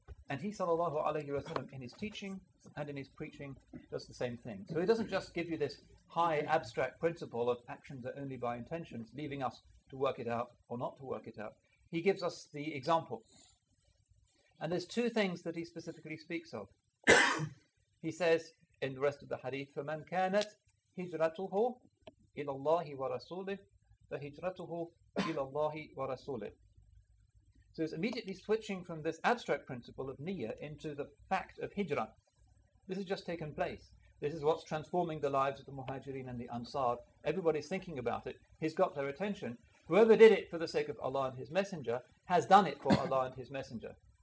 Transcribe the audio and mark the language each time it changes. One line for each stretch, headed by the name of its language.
English: And he, sallallahu alayhi wa sallam, in his teaching and in his preaching, does the same thing. So he doesn't just give you this high abstract principle of actions are only by intentions, leaving us to work it out or not to work it out. He gives us the example. And there's two things that he specifically speaks of. He says in the rest of the hadith,
Arabic: فَمَنْ كَانَتْ هِجْرَتُهُ إِلَى اللَّهِ وَرَسُولِهِ
English: فَهِجْرَتُهُ إِلَى اللَّهِ وَرَسُولِهِ. So it's immediately switching from this abstract principle of niyyah into the fact of hijrah. This has just taken place. This is what's transforming the lives of the muhajirin and the ansar. Everybody's thinking about it. He's got their attention. Whoever did it for the sake of Allah and his messenger has done it for Allah and his messenger.